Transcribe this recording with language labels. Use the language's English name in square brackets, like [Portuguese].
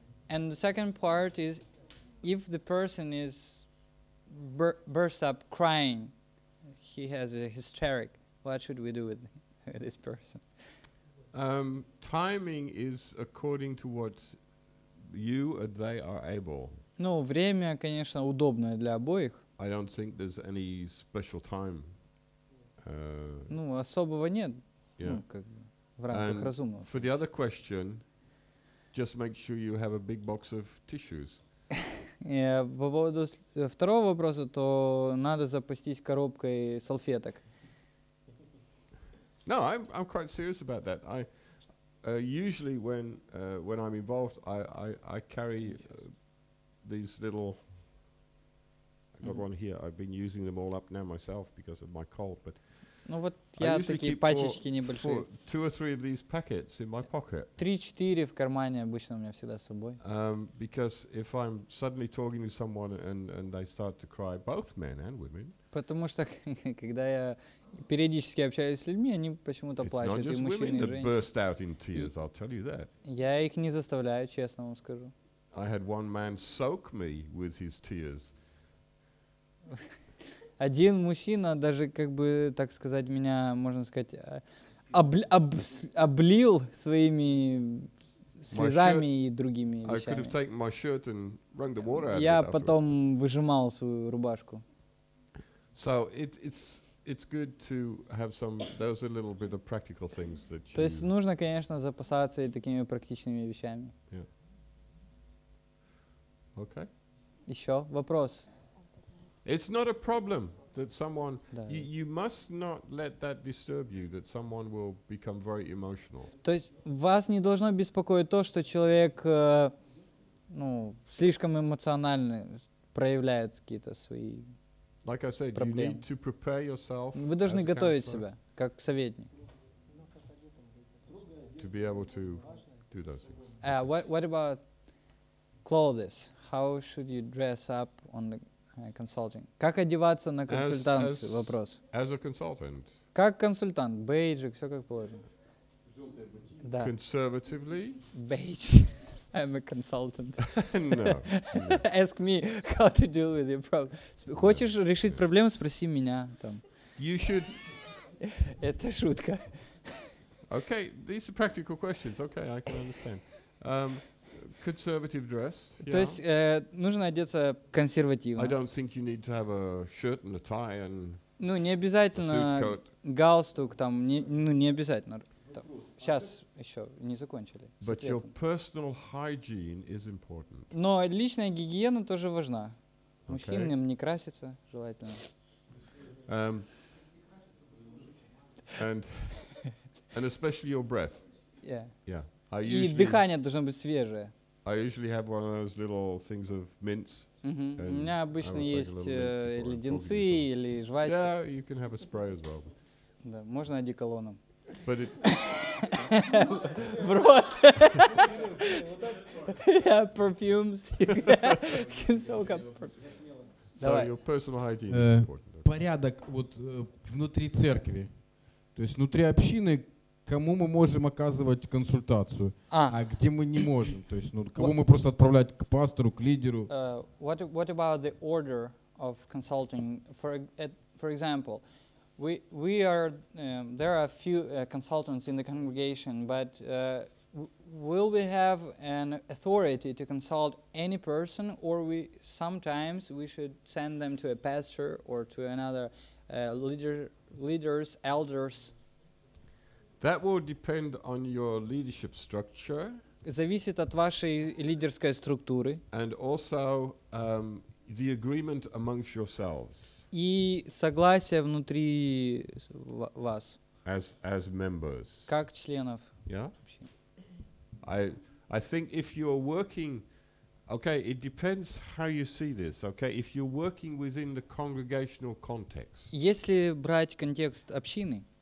[English] And the second part is if the person is burst up crying, he has a hysteric, what should we do with this person? Timing is according to what you and they are able. [Russian] Ну, время, конечно, удобное для обоих. [English] I don't think there's any special time. [Russian] Ну, особого нет. [English] Yeah. [Russian] Ну, как бы, в рамках разумного. [English] For the other question, just make sure you have a big box of tissues. [Russian] По поводу второго вопроса, то надо запастись коробкой салфеток. [English] No, I'm quite serious about that. I usually when I'm involved, I carry these little. Got one here. I've been using them all up now myself because of my cold. But [Russian] ну вот я такие пачечки небольшие. [English] Two or three of these packets in my pocket. [Russian] 3-4 в кармане обычно у меня всегда с собой. [English] Because if I'm suddenly talking to someone and they start to cry, both men and women. [Russian] Потому что когда я периодически общаюсь с людьми, они почему-то плачут, и мужчины и женщины. [English] It's not just women that burst out in tears. I'll tell you that. [Russian] Я их не заставляю, честно вам скажу. [English] I had one man soak me with his tears. [Russian] Один мужчина даже, как бы так сказать, меня, можно сказать, облил своими слезами и другими вещами. Я потом выжимал свою рубашку. [English] So it's good to have some those a little bit of practical things that you. [Russian] То есть нужно, конечно, запасаться и такими практичными вещами. [English] Yeah. Okay. [Russian] Еще вопрос. [English] It's not a problem that someone you must not let that disturb you that someone will become very emotional. [Russian] То есть вас не должно беспокоить то, что человек ну, слишком эмоционально проявляет какие-то свои проблемы. [English] Like I said, you need to prepare yourself. [Russian] Вы должны готовить себя как советник. [English] To be able to do those things. What about clothes? How should you dress up on the consulting. [Russian] Как одеваться на консультанцию? Вопрос. [English] As a consultant. [Russian] Как консультант? Бейджик, все как положено. Да. [English] Conservatively. Beige. I'm a consultant. No. Ask me how to deal with your problem. [Russian] Хочешь решить проблему, спроси меня там. [English] You should. [Russian] Это шутка. [English] Okay, these are practical questions. Okay, I can understand. Conservative dress. [Russian] То есть нужно одеться консервативно. [English] I don't think you need to have a shirt and a tie and. [Russian] Ну не обязательно галстук там, не обязательно. Вопрос. сейчас еще не закончили. [English] But your personal hygiene is important. [Russian] Но личная гигиена тоже важна. Мужчинам не краситься желательно. [English] And especially your breath. Yeah. [Russian] И дыхание должно быть свежее. [English] I usually have one of those little things of mints. [Russian] У меня обычно есть леденцы или жвачка. [English] Yeah, you can have a spray as well. [Russian] Да, можно одеколоном. [English] But it [Russian] в рот. [English] Yeah, perfumes. So your personal hygiene is important. [Russian] Порядок вот внутри церкви. То есть внутри общины, кому мы можем оказывать консультацию, а где мы не можем? То есть, ну, кого мы просто отправлять к пастору, к лидеру? [English] What about the order of consulting? For example, we are there are a few consultants in the congregation, but will we have an authority to consult any person, or we sometimes we should send them to a pastor or to another leaders, elders? That will depend on your leadership structure. [Russian] Зависит от вашей лидерской структуры. [English] And also the agreement amongst yourselves. [Russian] И согласие внутри вас. [English] As members. [Russian] Как членов. [English] Yeah. I think if you're working, okay, it depends how you see this, okay? If you're working within the congregational context. [Russian] Если брать контекст общины.